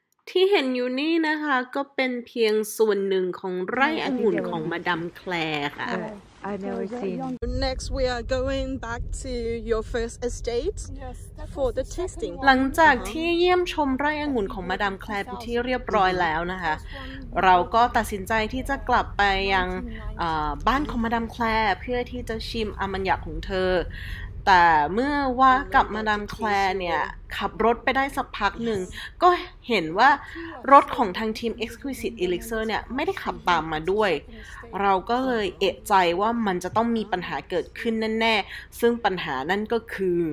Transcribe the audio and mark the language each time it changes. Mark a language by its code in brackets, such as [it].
[th] ที่เห็นอยู่นี่นะคะก็เป็นเพียงส่วนหนึ่งของไร่องุ่นของมาดามแคลร์ค่ะ [en] Next we are going back to your first estate for the tasting. [th] หลังจากที่เยี่ยมชมไร่องุ่นของมาดามแคลร์ไปที่เรียบร้อยแล้วนะคะเราก็ตัดสินใจที่จะกลับไปยังบ้านของมาดามแคลร์เพื่อที่จะชิมอามัญญะของเธอแต่เมื่อว่ากับมาดามแคลร์เนี่ยขับรถไปได้สักพักหนึ่งก็เห็นว่ารถของทางทีม Exquisite Elixir เนี่ยไม่ได้ขับตามมาด้วยเราก็เลยเอะใจว่ามันจะต้องมีปัญหาเกิดขึ้นแน่ๆซึ่งปัญหานั่นก็คือ